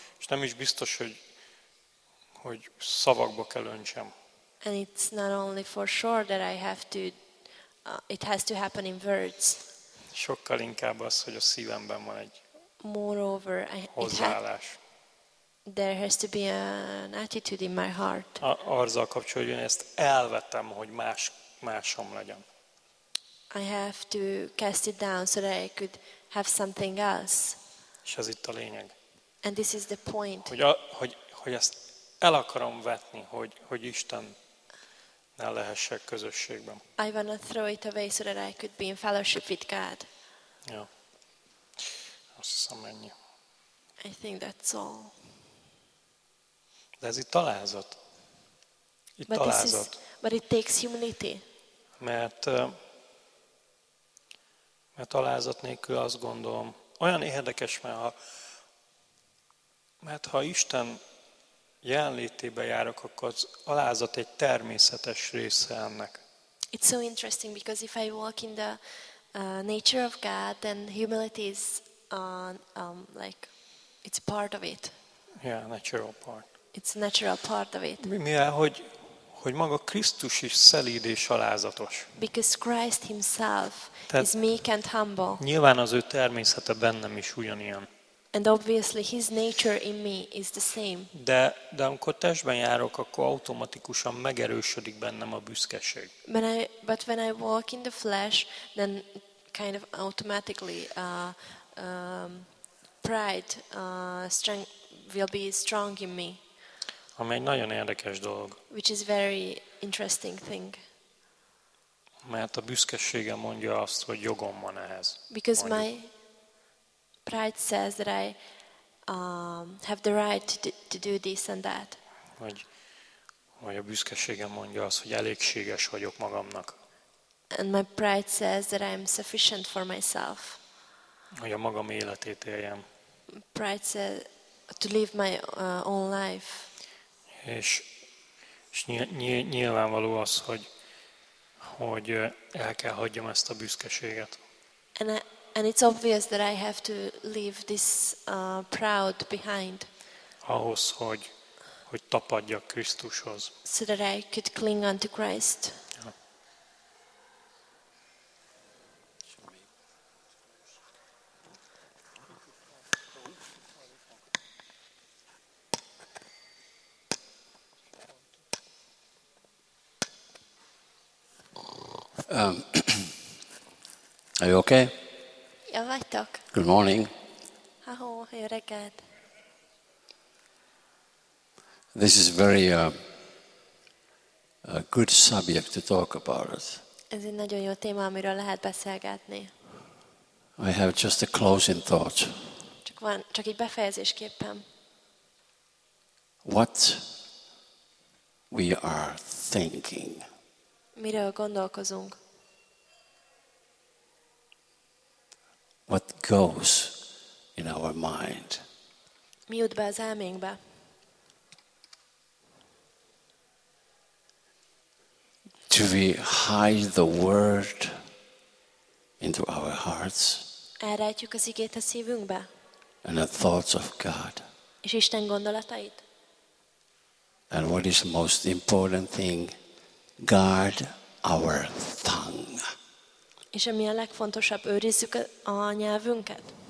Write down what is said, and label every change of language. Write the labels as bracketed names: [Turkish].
[Hungarian] És nem is biztos, hogy szavakba kell öntsem. [English] And it's not only for sure that I have to, it has to happen in words. [Hungarian] Sokkal inkább az, hogy a szívemben van egy [English] moreover, [Hungarian] hozzáállás. [English] There has to be an attitude in my heart. [Hungarian] Azzal kapcsolatban ezt elvetem, hogy másom legyen. [English] I have to cast it down so that I could have something else. [Hungarian] És ez itt a lényeg. [English] And this is the point. [Hungarian] Hogy ezt el akarom vetni, hogy Istennel lehessek közösségben. [English] I want to throw it away so that I could be in fellowship with God. [Hungarian] Ja. Azt hiszem ennyi. [English] I think that's all. [Hungarian] De ez itt alázat. Itt but alázat. [English] But it takes humility. [Hungarian] Mert alázat nélkül azt gondolom, olyan érdekes, mert ha Isten jelenlétébe járok, akkor az alázat egy természetes része ennek. [English] It's so interesting because if I walk in the nature of God, then humility is like it's part of it. Yeah, natural part. It's a natural part of it. [Hungarian] Mivel hogy maga Krisztus is szelíd és alázatos. [English] Because Christ himself is meek and humble. [Hungarian] Nyilván az ő természete bennem is ugyanilyen. [English] And obviously his nature in me is the same. [Hungarian] De amikor testben járok, akkor automatikusan megerősödik bennem a büszkeség. [English] But when I walk in the flesh, then kind of automatically pride strength will be strong in me. [Hungarian] Ami egy nagyon érdekes dolog. [English] Which is very interesting thing. [Hungarian] Mert a büszkesége mondja azt, hogy jogom van ehhez. [English] Because my pride says that I have the right to do this and that. [Hungarian] Vagy a büszkeségem mondja azt, hogy elégséges vagyok magamnak. [English] And my pride says that I'm sufficient for myself. [Hungarian] Hogy a magam életét éljem. [English] Pride says to live my own life. [Hungarian] És nyilvánvaló az, hogy el kell hagyjam ezt a büszkeséget. [English] And it's obvious that I have to leave this proud behind. [Hungarian] Ahhoz, hogy tapadjak Krisztushoz. [English] So that I could cling unto Christ. Ja. Are you okay? [Hungarian] Jó vagytok. [English] Good morning. [Hungarian] Ahó, jó reggelt. [English] This is very a good subject to talk about. [Hungarian] Ez egy nagyon jó téma, amiről lehet beszélgetni. [English] I have just a closing thought. [Hungarian] Csak egy befejezésképpen. [English] What we are thinking. [Hungarian] Miről gondolkozunk? [English] What goes in our mind. [Hungarian] Mi jut be az elménkbe? [English] Do we hide the word into our hearts? [Hungarian] Elrejtjük az igét a szívünkbe? [English] And the thoughts of God. [Hungarian] És Isten gondolatait? [English] And what is the most important thing? Guard our tongue. [Hungarian] És ami a legfontosabb, őrizzük a nyelvünket.